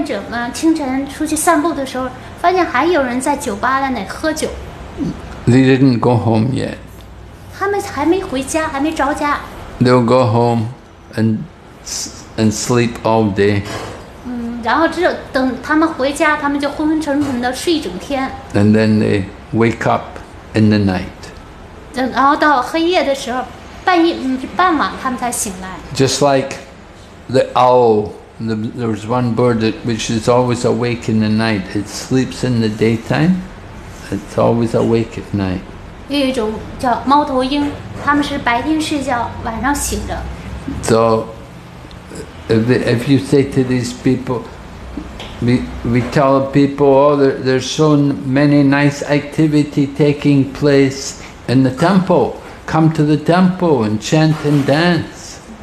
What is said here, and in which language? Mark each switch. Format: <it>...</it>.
<zh>所以当奉献者们清晨出去散步的时候, 发现还有人在酒吧在那喝酒。</zh> <en>They didn't go home yet.</en> <zh>他们还没回家, 还没着家。</zh> <en>They'll go home and sleep all day.</en> <zh>然后等他们回家，他们就昏昏沉沉的睡一整天。</zh> <en>And then they wake up in the night.</en> <zh>然后到黑夜的时候，半夜，傍晚他们才醒来。</zh> <en>Just like the owl, there was one bird which is always awake in the night. It sleeps in the daytime. It's always awake at night.</en> <zh>有一种叫猫头鹰，他们是白天睡觉，晚上醒着。</zh> <en>So, if you say to these people, we tell people, oh, there's so many nice activity taking place in the temple. Come to the temple and chant and dance.</en>